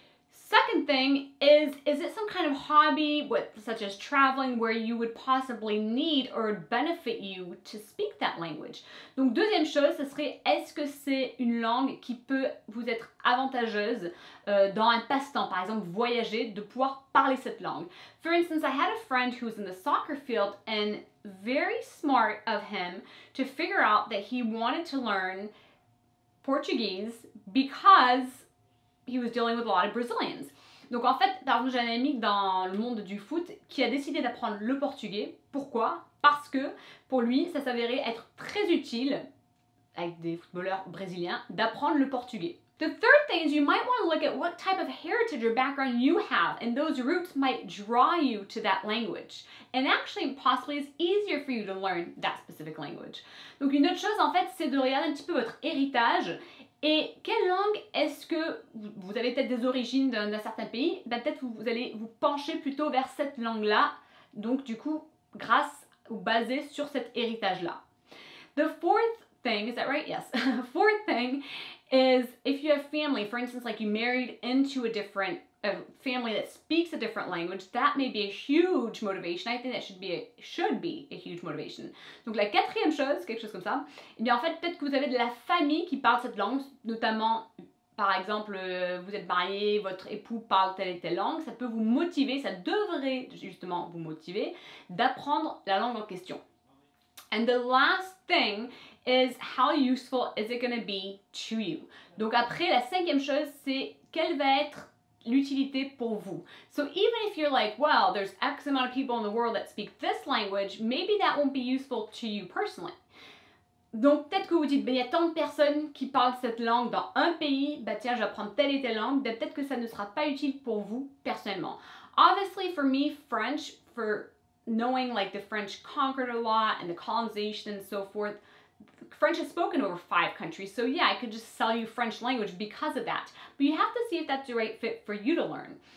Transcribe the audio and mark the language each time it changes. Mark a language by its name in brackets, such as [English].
[English] Second thing is it some kind of hobby with, such as traveling where you would possibly need or benefit you to speak that language? [French] Donc deuxième chose, ce serait est-ce que c'est une langue qui peut vous être avantageuse dans un passe-temps, par exemple voyager, de pouvoir parler cette langue. [English] For instance, I had a friend who was in the soccer field and very smart of him to figure out that he wanted to learn Portuguese because he was dealing with a lot of Brazilians. [French] Donc en fait, par exemple, j'ai un ami dans le monde du foot qui a décidé d'apprendre le portugais. Pourquoi? Parce que pour lui, ça s'avérait être très utile, avec des footballeurs brésiliens, d'apprendre le portugais. [English] The third thing is you might want to look at what type of heritage or background you have, and those roots might draw you to that language. And actually, possibly, it's easier for you to learn that specific language. [French] Donc une autre chose, en fait, c'est de regarder un petit peu votre héritage. Et quelle langue est-ce que vous avez peut-être des origines d'un certain pays? Ben peut-être vous allez vous pencher plutôt vers cette langue-là, donc du coup, grâce ou basé sur cet héritage-là. [English] The fourth thing, is that right? Yes. Fourth thing is if you have family, for instance, like you married into a family that speaks a different language, that may be a huge motivation. I think that should be a huge motivation. [French] Donc la quatrième chose, quelque chose comme ça, eh bien en fait peut-être que vous avez de la famille qui parle cette langue, notamment par exemple vous êtes marié, votre époux parle telle et telle langue, ça peut vous motiver, ça devrait justement vous motiver d'apprendre la langue en question. [English] And the last thing is how useful is it going to be to you? [French] Donc après, la cinquième chose, c'est quelle va être l'utilité pour vous. [English] So even if you're like, well, there's X amount of people in the world that speak this language, maybe that won't be useful to you personally. [French] Donc peut-être que vous dites, ben il y a tant de personnes qui parlent cette langue dans un pays, ben tiens, je vais apprendre telle et telle langue, ben peut-être que ça ne sera pas utile pour vous personnellement. [English] Obviously for me, French, for knowing like the French conquered a lot and the colonization and so forth, French is spoken over 5 countries, so yeah, I could just sell you French language because of that. But you have to see if that's the right fit for you to learn.